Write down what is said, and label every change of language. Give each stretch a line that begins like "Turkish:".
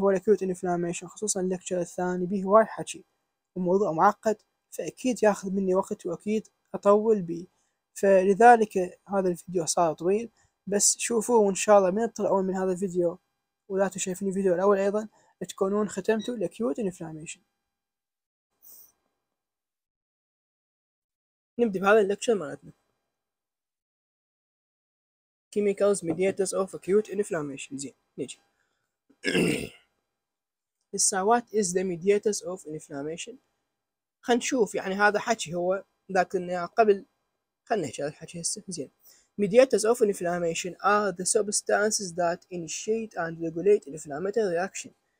Arabic: هو الاكيوت انفلاميشن خصوصا اللكتشر الثاني به وايد حكي وموضوع معقد، فأكيد ياخذ مني وقت وأكيد أطول بي، فلذلك هذا الفيديو صار طويل. بس شوفوه، وإن شاء الله من تطلعون من هذا الفيديو ولا تشايفني الفيديو الأول أيضا تكونون ختمتوا الأكيوت إنفلاميشن. نبدأ بهذا اللكتشر مالتنا
English: Chemicals Mediators of Acute Inflammation.
Arabic: زين، نجي هسا
English: what is the mediators of inflammation؟
Arabic: خلينا نشوف يعني هذا حكي هو ذاك اللي قبل، خلينا نحكي هذا الحكي هسه.
English: زين، mediators of inflammation are the substances that initiate and regulate inflammatory reaction.